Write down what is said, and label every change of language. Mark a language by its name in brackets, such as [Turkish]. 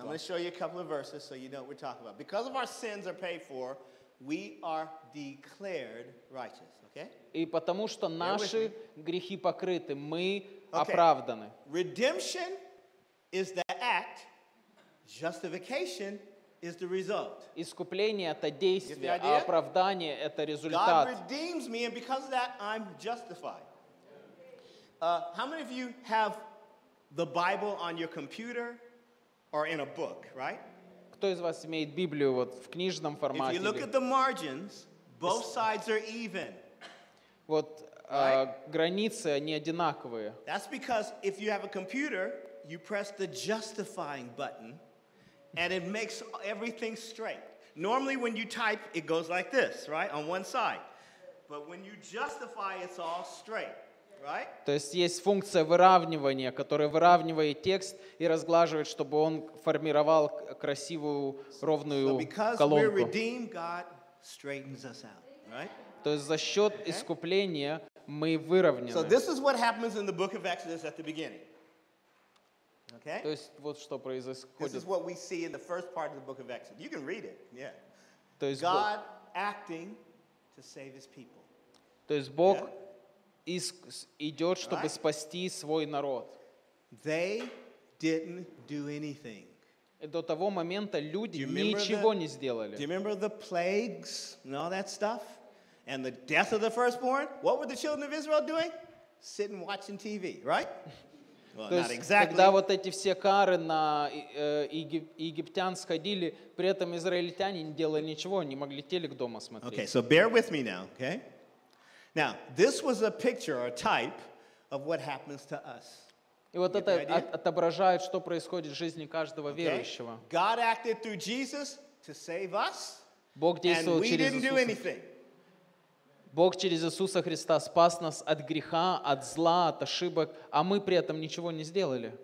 [English] I'm going to show you a couple of verses so you know what we're talking about. Because of our sins are paid for, we are declared righteous, okay? [Russian] И потому что наши грехи покрыты, мы оправданы. [English] Redemption is the act, justification is the result. [Russian] Искупление это действие, а оправдание это результат. [English] God redeems me, and because of that, I'm justified. How many of you have the Bible on your computer or in a book, right? [Russian] Кто из вас имеет Библию вот в книжном формате? [English] If you look at the margins, both sides are even. [Russian] Вот границы они одинаковые. [English] That's because if you have a computer, you press the justifying button, and it makes everything straight. Normally when you type, it goes like this, right, on one side. But when you justify, it's all straight, right? [Russian] То есть есть функция выравнивания, которая выравнивает текст и разглаживает, чтобы он формировал красивую ровную колонку. [English] So because we're redeemed, God straightens us out, right? [Russian] То есть за счет искупления мы выровняны. [English] So this is what happens in the book of Exodus at the beginning. Okay? [Russian] То есть вот что происходит. [English] This is what we see in the first part of the book of Exodus. You can read it. Yeah. [Russian] То есть [English] God acting to save his people. [Russian] То есть Бог идет, чтобы спасти свой народ. [English] They didn't do anything. [Russian] До того момента люди ничего не сделали. [English] Do you remember the plagues and all that stuff? And the death of the firstborn, what were the children of Israel doing? Sitting watching TV, right? Well, not exactly. [Russian] Когда вот эти все кары на египтян сходили, при этом израильтяне не делали ничего, они могли телек дома смотреть. [English] Okay, so bear with me now, okay? Now, this was a picture or a type of what happens to us. [Russian] И вот это отображает, что происходит в жизни каждого верующего. [English] God acted through Jesus to save us, [Russian] Бог действовал через Иисуса. [English] And we didn't do anything. [Russian] Бог через Иисуса Христа спас нас от греха, от зла, от ошибок, а мы при этом ничего не сделали.